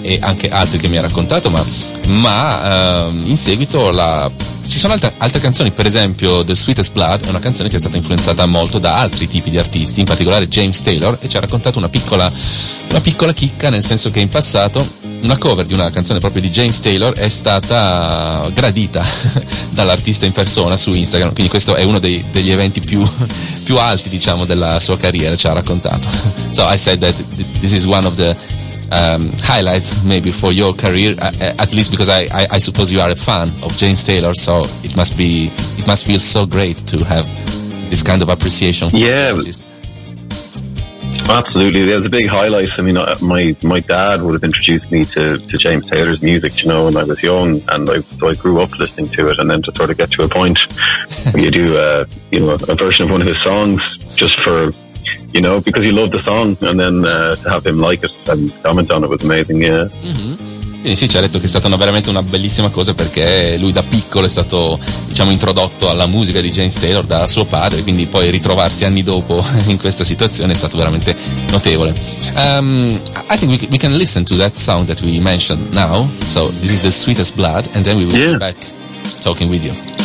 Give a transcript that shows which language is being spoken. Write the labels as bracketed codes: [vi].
[it] e anche altri che mi ha raccontato, ma in seguito ci sono altre canzoni, per esempio The Sweetest Blood è una canzone che è stata influenzata molto da altri tipi di artisti, in particolare James Taylor, e ci ha raccontato una piccola chicca, nel senso che in passato una cover di una canzone proprio di James Taylor è stata gradita dall'artista in persona su Instagram, quindi questo è uno degli eventi più alti, diciamo, della sua carriera, ci ha raccontato. [en] So I said that this is one of the highlights maybe for your career, at least because I suppose you are a fan of James Taylor, so it must feel so great to have this kind of appreciation. Absolutely, there's a big highlight. I mean, my dad would have introduced me to James Taylor's music, you know, when I was young, and I grew up listening to it, and then to sort of get to a point where you do a version of one of his songs just for, you know, because he loved the song, and then to have him like it and comment on it was amazing. Yeah. Mm-hmm. [it] Quindi sì, ci ha detto che è stata veramente una bellissima cosa, perché lui da piccolo è stato, diciamo, introdotto alla musica di James Taylor da suo padre, quindi poi ritrovarsi anni dopo in questa situazione è stato veramente notevole. [en] I think we can listen to that song that we mentioned now. So this is The Sweetest Blood, and then we will be back talking with you.